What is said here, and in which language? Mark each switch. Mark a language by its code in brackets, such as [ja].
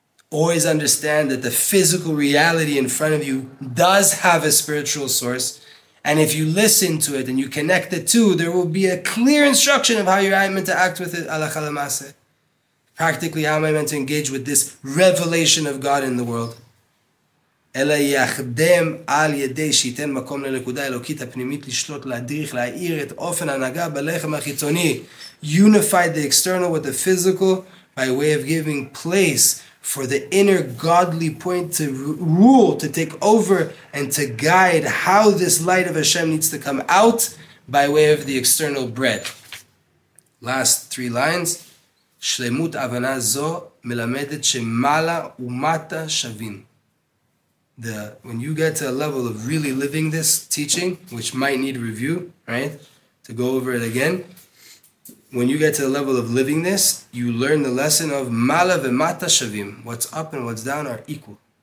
[en] Always understand that the physical reality in front of you does have a spiritual source. And if you listen to it and you connect the two, there will be a clear instruction of how you're meant to act with it, alakha lemaaseh. Practically, how am I meant to engage with this revelation of God in the world? [he] אלא יחדם על ידי שייתן מקום לנקודה אלוקית הפנימית לשלוט, להדריך, להאיר את אופן הנהגה בלחם החיצוני. [en] Unify the external with the physical by way of giving place for the inner godly point to rule, to take over and to guide how this light of Hashem needs to come out by way of the external bread. Last three lines. [he] שלמות הבנה זו מלמדת שמעלה ומטה שווים. [en] When you get to a level of really living this teaching, which might need review, right? To go over it again. When you get to the level of living this, you learn the lesson of [he] Mala v'mata shavim. [en] What's up and what's down are equal.